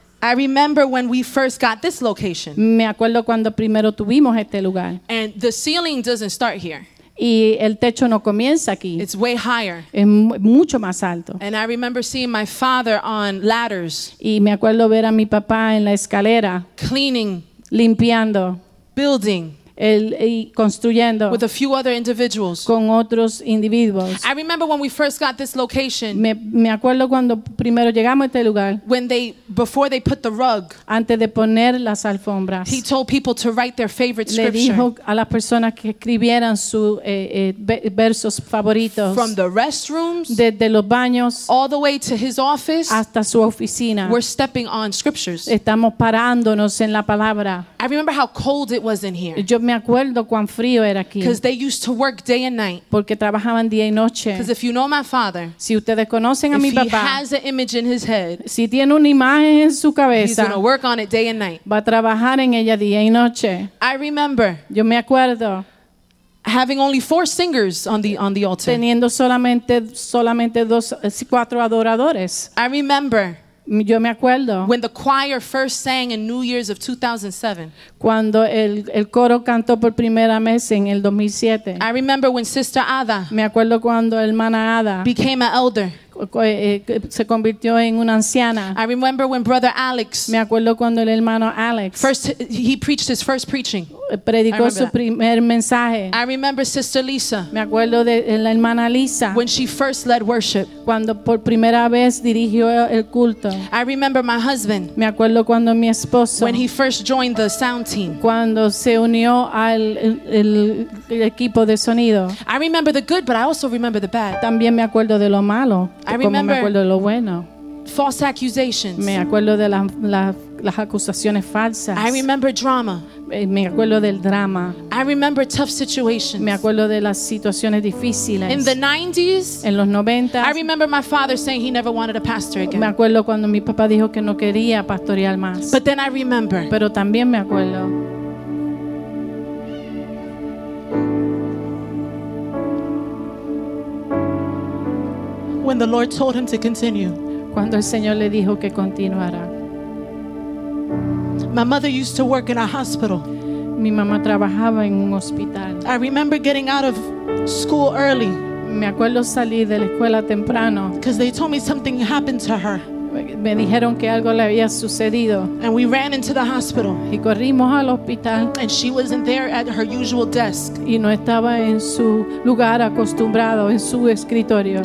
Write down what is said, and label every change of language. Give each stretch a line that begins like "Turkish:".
English: I remember when we first got this location.
Spanish: Me acuerdo cuando primero tuvimos este lugar.
English: And the ceiling doesn't start here.
Spanish: Y el techo no comienza aquí.
English: It's way higher.
Spanish: Es mucho más alto.
English: And I remember seeing my father on ladders.
Spanish: Y me acuerdo ver a mi papá en la escalera.
English: Cleaning.
Spanish: Limpiando.
English: Building.
Spanish: Y construyendo
English: with a few other individuals.
Spanish: Con otros individuos.
English: I remember when we first got this location.
Spanish: Me acuerdo cuando primero llegamos a este lugar.
English: When they before they put the rug.
Spanish: Antes de poner las alfombras.
English: He told people to write their favorite scripture.
Spanish: Le dijo a las personas que escribieran sus versos favoritos.
English: From the restrooms.
Spanish: Desde los baños.
English: All the way to his office.
Spanish: Hasta su oficina.
English: We're stepping on scriptures.
Spanish: Estamos parándonos en la palabra.
English: I remember how cold it was in here.
Spanish: Yo me acuerdo cuán frío era aquí.
English: Because they used to work day and night.
Spanish: Porque trabajaban día y noche.
English: Because if you know my father,
Spanish: si ustedes conocen a mi papá,
English: if he has an image in his head,
Spanish: si tiene una imagen en su cabeza,
English: he's gonna work on it day and night.
Spanish: Va a trabajar en ella día y noche.
English: I remember.
Spanish: Yo me acuerdo.
English: Having only 4 singers on the altar.
Spanish: Teniendo solamente dos, 4 adoradores.
English: I remember.
Spanish: Yo me acuerdo.
English: When the choir first sang in New Year's of 2007.
Spanish: Cuando el coro cantó por primera vez en el 2007.
English: I remember when Sister Ada.
Spanish: Me acuerdo cuando hermana Ada.
English: Became an elder.
Spanish: Se convirtió en una anciana.
English: I remember when Brother Alex.
Spanish: Me acuerdo cuando el hermano Alex.
English: First, he preached his first preaching.
Spanish: Predicó su primer mensaje.
English: I remember Sister Lisa.
Spanish: Me acuerdo de la hermana Lisa.
English: When she first led worship.
Spanish: Cuando por primera vez dirigió el culto.
English: I remember my husband.
Spanish: Me acuerdo cuando mi esposo.
English: When he first joined the sound team.
Spanish: Cuando se unió al el equipo de sonido.
English: I remember the good, but I also remember the bad.
Spanish: También me acuerdo de lo malo.
English: I remember
Spanish: me acuerdo de lo bueno.
English: False accusations.
Spanish: Me acuerdo de la las acusaciones falsas.
English: I remember drama.
Spanish: Me acuerdo del drama.
English: I remember tough situations.
Spanish: Me acuerdo de las situaciones difíciles.
English: In the 90s,
Spanish: en los 90s,
English: I remember my father saying he never wanted a pastor again.
Spanish: Me acuerdo cuando mi papá dijo que no quería pastorear más.
English: But then I remember.
Spanish: Pero también me acuerdo.
English: When the Lord told him to continue.
Spanish: Cuando el Señor le dijo que continuara.
English: My mother used to work in a hospital.
Spanish: Mi mamá trabajaba en un hospital.
English: I remember getting out of school early.
Spanish: Me acuerdo salir de la escuela temprano.
English: Because they told me something happened to her.
Spanish: Me dijeron que algo le había sucedido.
English: And we ran into the hospital.
Spanish: Y corrimos al hospital.
English: And she wasn't there at her usual desk.
Spanish: Y no estaba en su lugar acostumbrado, en su escritorio.